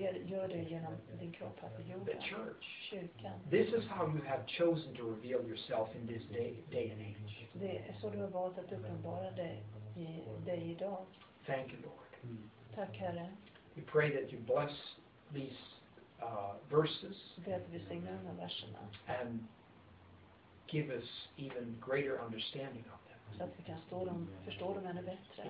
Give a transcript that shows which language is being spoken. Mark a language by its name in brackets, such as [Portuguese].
[Swedish] Gör det genom din kropp här på jorden. [English] The church. [Swedish] Kyrkan. [English] This is how you have chosen to reveal yourself in this day and age. [Swedish] Det är så du har valt att uppenbara dig idag. [English] Thank you, Lord. [Swedish] Tack, Herre. [English] We pray that you bless these verses. [Swedish] Ber att du välsignar de här verserna. [English] And give us even greater understanding of them. [Swedish] Så att vi kan förstå dem ännu bättre.